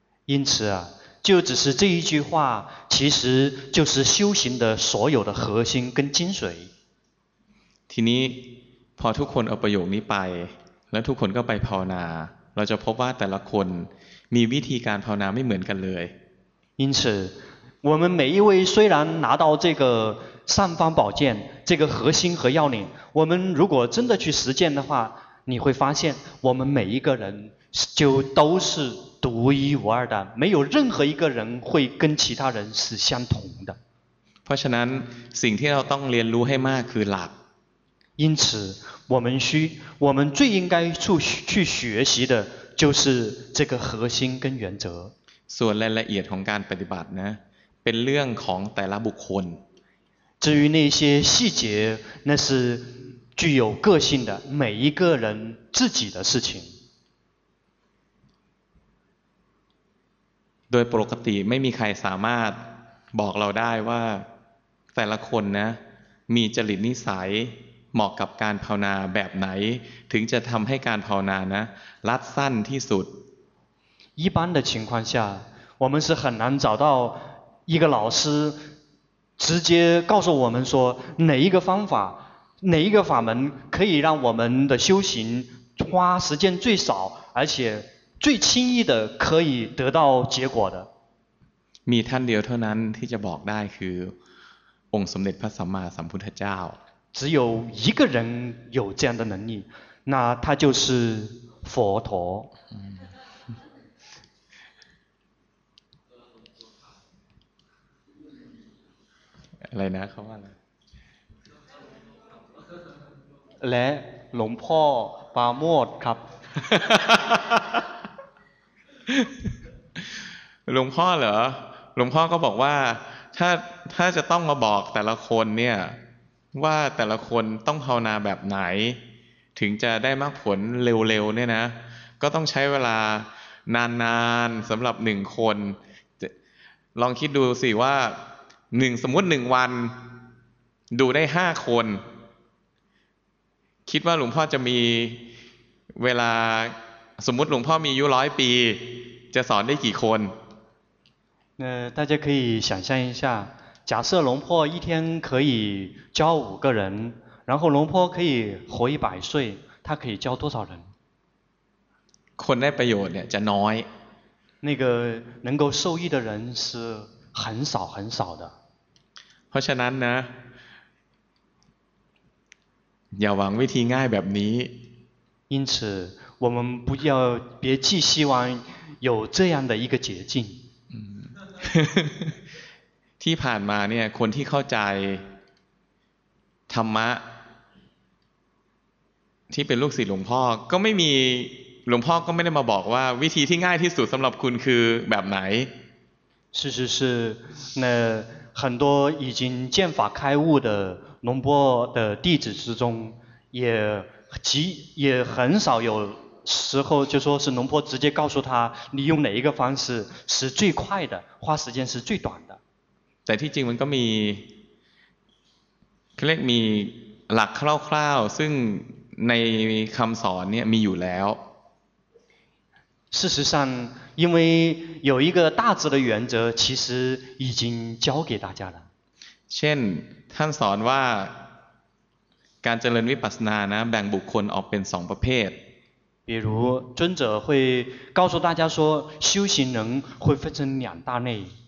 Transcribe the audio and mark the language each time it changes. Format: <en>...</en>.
<zh>因此啊就只是这一句话其实就是修行的所有的核心跟精髓</zh> <th>ทีนี้พอทุกคนเอาประโยคนี้ไปแล้วทุกคนก็ไปภาวนาเราจะพบว่าแต่ละคนมีวิธีการภาวนาไม่เหมือนกันเลย</th> <zh>因此我们每一位虽然拿到这个尚方宝剑这个核心和要领我们如果真的去实践的话你会发现我们每一个人就都是独一无二的没有任何一个人会跟其他人是相同的</zh> <th>เพราะฉะนั้นสิ่งที่เราต้องเรียนรู้ให้มากคือหลัก</th> <zh>因此我们最应该去学习的就是这个核心跟原则</zh> <th>ส่วนรายละเอียดของการปฏิบัตินะเป็นเรื่องของแต่ละบุคคล</th> <zh>至于那些细节那是具有个性的每一个人自己的事情</zh> <th>โดยปกติไม่มีใครสามารถบอกเราได้ว่าแต่ละคนนะมีจริตนิสัยเหมาะกับการภาวนาแบบไหนถึงจะทำให้การภาวนานะลัดสั้นที่สุด</th> <zh>一般的情况下我们是很难找到一个老师直接告诉我们说哪一个方法哪一个法门可以让我们的修行花时间最少而且最轻易的可以得到结果的</zh> <th>มีท่านเดียวเท่านั้นที่จะบอกได้คือองค์สมเด็จพระสัมมาสัมพุทธเจ้า</th> <zh>只有一个人有这样的能力那他就是佛陀</zh> <th>อะไรนะเขาว่า และหลวงพ่อปาโมดครับ หลวงพ่อเหรอหลวงพ่อก็บอกว่าถ้าจะต้องมาบอกแต่ละคนเนี่ยว่าแต่ละคนต้องภาวนาแบบไหนถึงจะได้มากผลเร็วๆเนี่ยนะก็ต้องใช้เวลานานๆสำหรับหนึ่งคน ลองคิดดูสิว่าหนึ่งสมมติหนึ่งวันดูได้ห้าคนคิดว่าหลวงพ่อจะมีเวลาสมมุติหลวงพ่อมีอายุ100ปีจะสอนได้กี่คน</th> <zh>那大家可以想象一下，假设龙婆一天可以教五个人，然后龙婆可以活一百岁，他可以教多少人？</zh> <th>คนได้ประโยชน์เนี่ยจะน้อย</th> <zh>那个能够受益的人是很少很少的。</zh> <th>เพราะฉะนั้นนะอย่าหวังวิธีง่ายแบบนี้</th> <zh>因此我们不要别寄希望有这样的一个捷径</zh> <th>ที่ผ่านมาเนี่ยคนที่เข้าใจธรรมะที่เป็นลูกศิษย์หลวงพ่อก็ไม่มีหลวงพ่อก็ไม่ได้มาบอกว่าวิธีที่ง่ายที่สุดสำหรับคุณคือแบบไหน</th> <zh>是是是那很多已经见法开悟的龙波的弟子之中也很少有时候就说是龙波直接告诉他你用哪一个方式是最快的花时间是最短的</zh> <th>แต่ที่จริงมันก็มีเรียกมีหลักคร่าวๆซึ่งในคำสอนเนี่ยมีอยู่แล้ว</th> <zh>事实上因为有一个大致的原则其实已经教给大家了</zh> <th>เช่นท่านสอนว่าการเจริญวิปัสสนานะแบ่งบุคคลออกเป็นสองประเภท</th> <zh>比如尊者会告诉大家说修行人会分成两大类</zh>